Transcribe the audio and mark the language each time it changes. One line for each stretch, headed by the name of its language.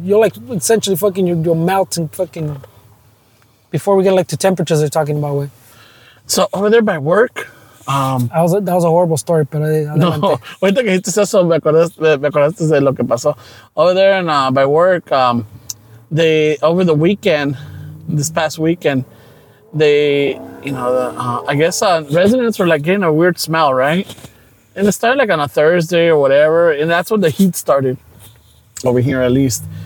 English: You're like essentially fucking you'll melt and fucking before we get like to temperatures they're talking about, way. So over there by work. That was a horrible story, pero no.
Spanish: Ahorita que dijiste eso, me acordaste de lo que pasó.
English: Over there and by work, they over the weekend, this past weekend, they, you know, I guess residents were like getting a weird smell, right? And it started like on a Thursday or whatever, and that's when the heat started over here, at least.